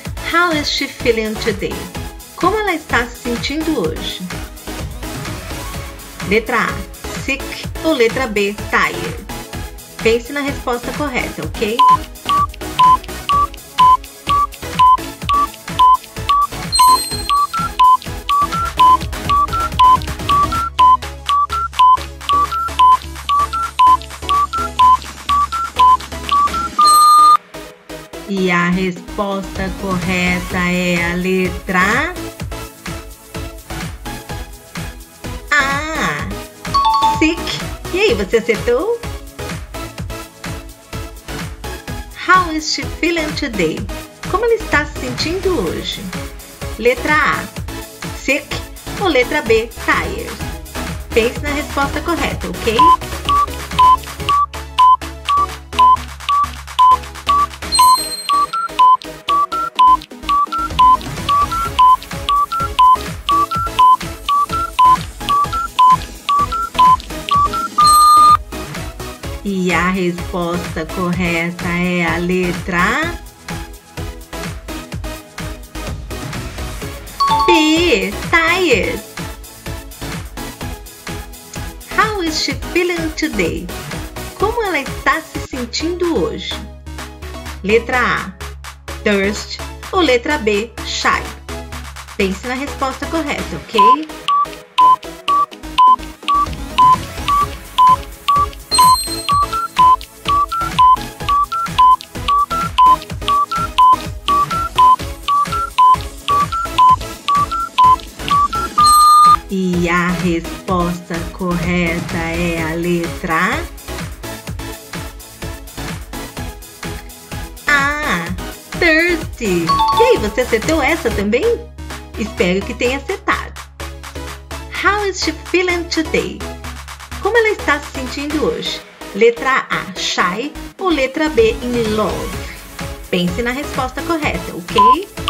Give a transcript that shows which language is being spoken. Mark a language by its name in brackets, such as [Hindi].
[English] How is she feeling today? [Portuguese] Como ela está se sentindo hoje? Letra A, sick, ou letra B, tired? Pense na resposta correta, ok? a resposta correta é a letra A. Sick. E aí, você acertou? [English] How is she feeling today? [Portuguese] Como ela está se sentindo hoje? Letra A, sick. Ou letra B, tired. Pense na resposta correta, ok? E a resposta correta é a letra B, tired. [English] How is she feeling today? [Portuguese] Como ela está se sentindo hoje? Letra A, thirst. Ou letra B, shy. Pense na resposta correta, ok? E a resposta correta é a letra A, thirsty. E aí, você acertou essa também? Espero que tenha acertado. [English] How is she feeling today? [Portuguese] Como ela está se sentindo hoje? Letra A, shy. Ou letra B, in love? Pense na resposta correta, ok?